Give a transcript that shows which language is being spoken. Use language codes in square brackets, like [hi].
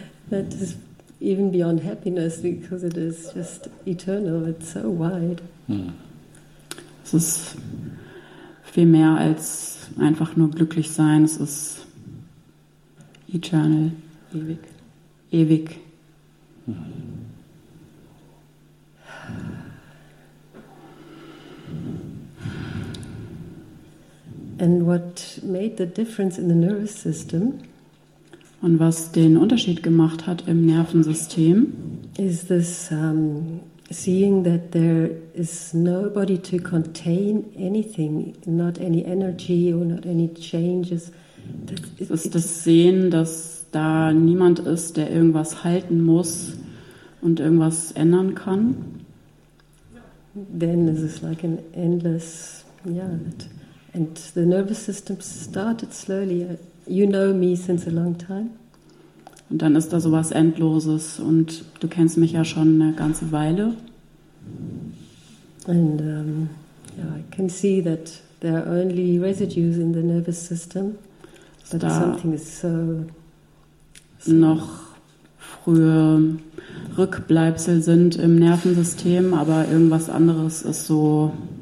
[en] That is even beyond happiness, because it is just eternal. It's so wide. [de] Es ist viel mehr als einfach nur glücklich sein. Es ist eternal. Ewig. Ewig. [en] And what made the difference in the nervous system? [de] Und was den Unterschied gemacht hat im Nervensystem, [en] is this seeing that there is nobody to contain anything, not any energy or not any changes. [de] Es ist das Sehen, dass da niemand ist, der irgendwas halten muss und irgendwas ändern kann. [en] Then this is like an endless, yeah. And the nervous system started slowly. You know me since a long time. [de] Und dann ist da sowas Endloses und du kennst mich ja schon eine ganze Weile. [en] And yeah, I can see that there are only residues in the nervous system, but da something is so. [de] Noch frühe Rückbleibsel sind im Nervensystem, aber irgendwas anderes ist so.